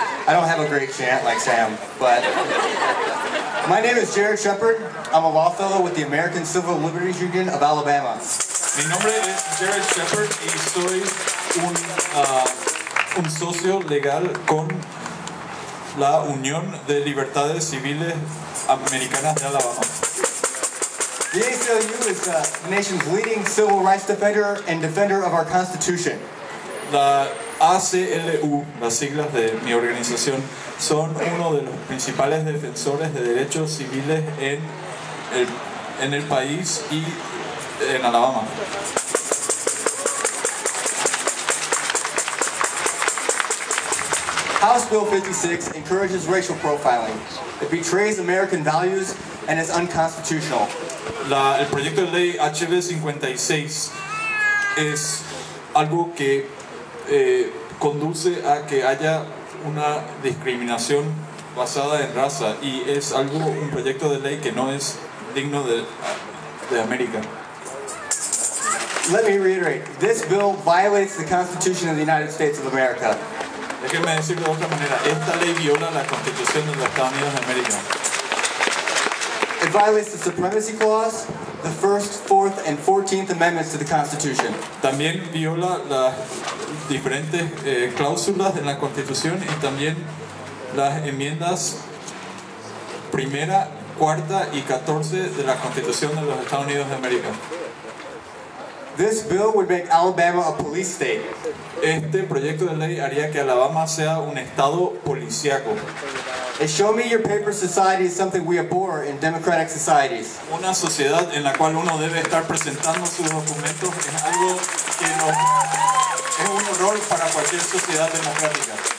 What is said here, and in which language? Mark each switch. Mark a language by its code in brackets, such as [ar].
[en] I don't have a great chant like Sam, but my name is Jared Shepard. I'm a law fellow with the American Civil Liberties Union of Alabama. [es] Mi nombre es Jared Shepard y soy un socio legal con la Unión de Libertades Civiles Americanas de Alabama. [en] The ACLU is the nation's leading civil rights defender and defender of our Constitution. [es] La ACLU, las siglas de mi organización, son uno de los principales defensores de derechos civiles en el país y en Alabama. [en] House Bill 56 encourages racial profiling. It betrays American values and is unconstitutional. [es] El proyecto de ley HB 56 es algo que conduce a que haya una discriminación basada en raza y es algo, un proyecto de ley que no es digno de América. [en] Let me reiterate, this bill violates the Constitution of the United States of America. [es] Déjenme decirlo de otra manera, esta ley viola la Constitución de los Estados Unidos de América. [en] It violates the Supremacy Clause, the 1st, 4th, and 14th Amendments to the Constitution. [es] También viola las diferentes cláusulas de la Constitución y también las enmiendas 1ª, 4ª y 14ª de la Constitución de los Estados Unidos de América. [en] This bill would make Alabama a police state. [es] Este proyecto de ley haría que Alabama sea un estado policíaco. [en] A show me your paper society is something we abhor in democratic societies. [es] Una sociedad en la cual uno debe estar presentando sus documentos es algo que no es un horror para cualquier sociedad democrática.